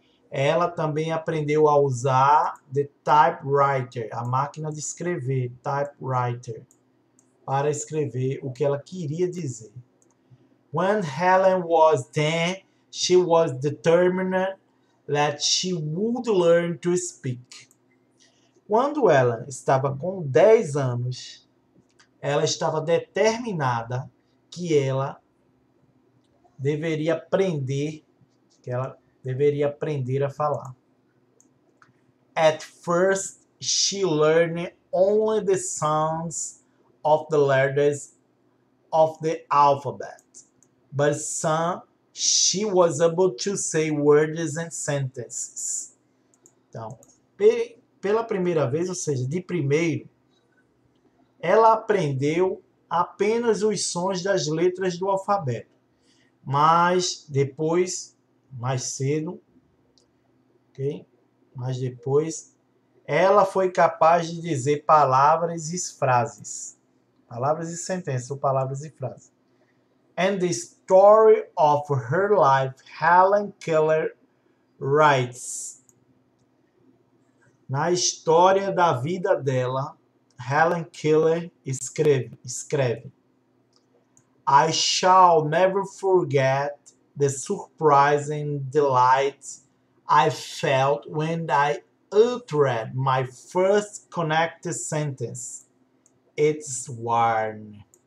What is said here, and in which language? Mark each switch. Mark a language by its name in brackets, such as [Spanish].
[Portuguese] Ela também aprendeu a usar the typewriter, a máquina de escrever, typewriter, para escrever o que ela queria dizer. [English] When Helen was 10, she was determined that she would learn to speak. [Portuguese] Quando ela estava com 10 anos, ela estava determinada que ela deveria aprender, que ela deveria aprender a falar. [English] At first, she learned only the sounds of the letters of the alphabet. But soon she was able to say words and sentences. [Portuguese] Então, pela primeira vez, ou seja, de primeiro, ela aprendeu apenas os sons das letras do alfabeto. Mas depois, mais cedo, ok? Mas depois, ela foi capaz de dizer palavras e frases. Palavras e sentenças, ou palavras e frases. [English] And the story of her life, Helen Keller writes. [Portuguese] Na história da vida dela, Helen Keller escreve. [English] I shall never forget the surprise and delight I felt when I uttered my first connected sentence. It's one.